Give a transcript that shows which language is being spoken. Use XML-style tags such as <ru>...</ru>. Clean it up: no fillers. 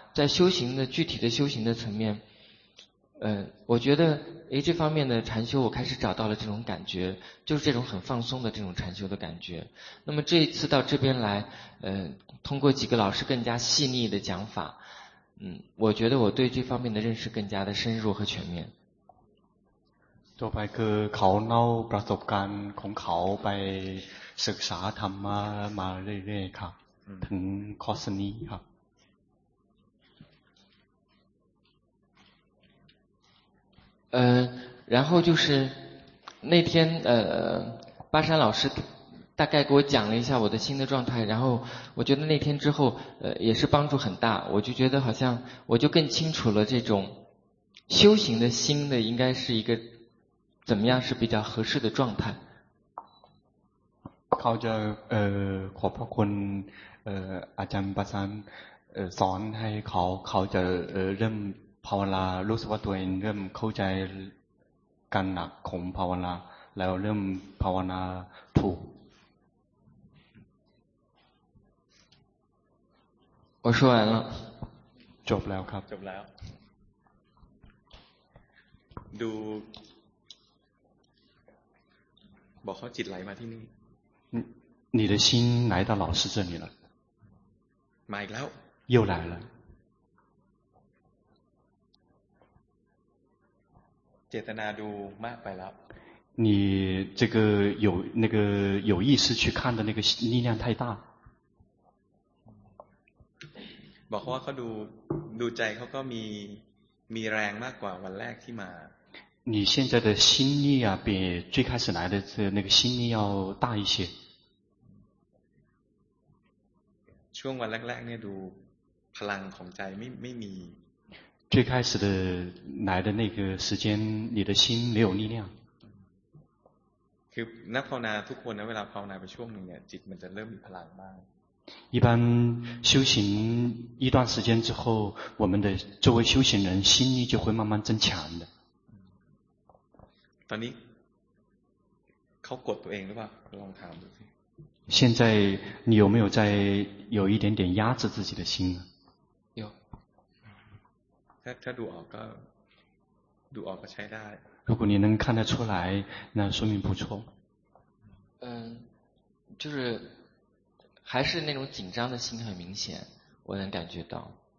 <zh>在修行的具体的修行的层面，我觉得这方面的禅修我开始找到了这种感觉，就是这种很放松的这种禅修的感觉。那么这一次到这边来，通过几个老师更加细腻的讲法，我觉得我对这方面的认识更加的深入和全面。</zh> <th>ต่อไปคือเขาเล่าประสบการณ์ของเขาไปศึกษาธรรมะมาเรื่อยๆครับถึงคอร์สนี้ครับ</th> <zh>然后就是那天巴山老师大概给我讲了一下我的新的状态，然后我觉得那天之后也是帮助很大，我就觉得好像我就更清楚了这种修行的心的应该是一个怎么样是比较合适的状态。</zh> <th>เขาจะขอบพระคุณอาจารย์ปราสันสอนให้เขาจะเริ่มภาวนารู้สึกว่าตัวเองเริ่มเข้าใจการหนักของภาวนาแล้วเริ่มภาวนาถูก</th> <zh>我说完了</zh> <th>จบแล้วครับ จบแล้วดูบอกเขาจิตไหลมาที่นี่</th> <zh>你的心来到老师这里了</zh> <th>มาอีกแล้ว</th> <zh>又来了</zh> <th>เจตนาดูมากไปแล้ว</th> <zh>你这个有那个有意识去看的那个力量太大</zh> <th>บอกว่าเขาดูใจเขาก็มีแรงมากกว่าวันแรกที่มา</th> <zh>你现在的心力啊比最开始来的这那个心力要大一些。</zh> <th>ช่วงวันแรกๆเนี่ยดูพลังของใจไม่มี</th> <zh>最开始的来的那个时间你的心没有力量。</zh> <th>คือนักภาวนาทุกคนนะเวลาภาวนาไปช่วงนึงเนี่ยจิตมันจะเริ่มมีพลังมาก</th> <zh>一般修行一段时间之后我们的作为修行人心力就会慢慢增强的。</zh> <th>ตอนนี้เขากดตัวเองหรือเปล่าลองถามดูสิ</th> <zh>现在你有没有在有一点点压制自己的心呢有</zh> <th>ถ้าดูออกก็ใช้ได้</th> <zh>如果你能看得出来那说明不错就是还是那种紧张的心很明显我能感觉到</zh>